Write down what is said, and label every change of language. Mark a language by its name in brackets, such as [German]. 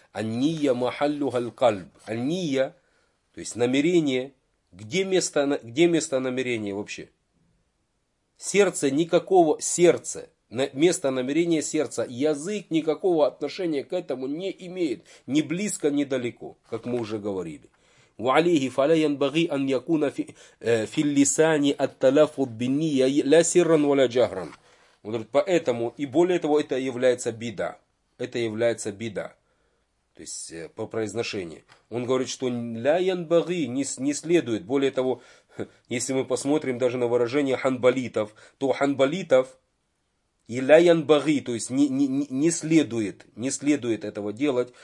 [Arabic] Ан-ния махаллю галькальб. [Russian] Ан-ния, то есть намерение, где место намерения вообще? Сердце никакого, сердце. Место намерения сердца, язык никакого отношения к этому не имеет, ни близко, ни далеко, как мы уже говорили. [Arabic] وعليه فلا ينبغي أن يكون في اللسان التلفظ بالنية لا سرا ولا جهرا. [Russian] Он говорит, поэтому, и более того, это является беда. Это является беда. То есть, по произношению. Он говорит, что [Arabic] «ля янбаги» [Russian] не следует. Более того, если мы посмотрим даже на выражение ханбалитов, то ханбалитов и [Arabic] «ля янбаги», [Russian] то есть, не следует этого делать.